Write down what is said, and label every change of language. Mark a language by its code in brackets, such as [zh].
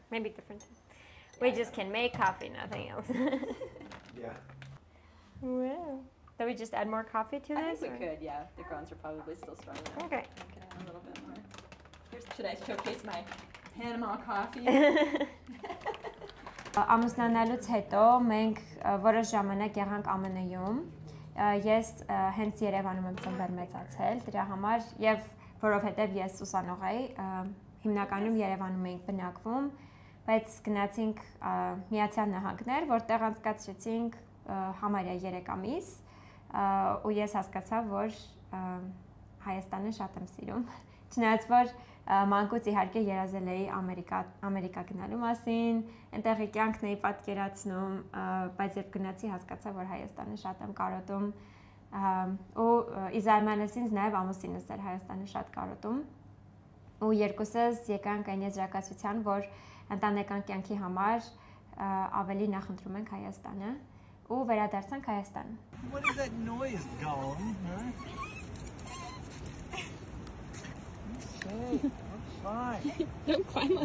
[en] maybe different We just can make coffee nothing else Yeah Well Do we just add more coffee to this? I think we could, yeah. The grounds are probably still strong enough. Okay. Add a little bit more. Here's, should I showcase my Panama coffee? [hy] Ամուսնանալուց հետո մենք որոշ ժամանակ եղանք ԱՄՆ-ում. Ես հենց Երևանում եմ ծնվել մեծացել, դրա համար եւ որովհետեւ ես ուսանող եի, հիմնականում Երևանում էինք բնակվում, բայց գնացինք Միացյալ Նահանգներ, որտեղ անցկացրեցինք համարյա 3 ամիս. Ու ես հասկացա, որ Հայաստանը շատ եմ սիրում։ Չնայած որ մանկուց իհարկե երազել էի Ամերիկա գնալու մասին, այնտեղի կյանքն էի պատկերացնում, բայց երբ գնացի հասկացա, որ Հայաստանը շատ եմ կարոտում։ Ու ի զարմանս ինձ նաև ամուսինս էր Հայաստանը շատ կարոտում։ Ու երկուսս եկանք այն եզրակացության, որ ընտանեկան կյանքի համար ավելի նախ ընտրում ենք Հայաստանը։ Ու վերադարձանք Հայաստան։ [en] What is that noise going, huh?